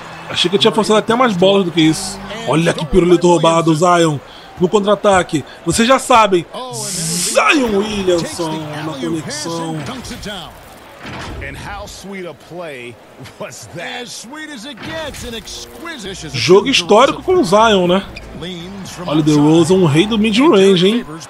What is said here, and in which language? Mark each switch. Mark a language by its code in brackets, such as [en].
[pt] Achei que eu tinha forçado até mais bolas do que isso. Olha que pirulito roubado, Zion. No contra-ataque. Vocês já sabem. Zion Williamson na conexão. [en] And how sweet a play was that? As sweet as it gets, an exquisite. [pt] Jogo histórico com o Zion, né? Olha o DeRozan, um rei do mid-range, hein?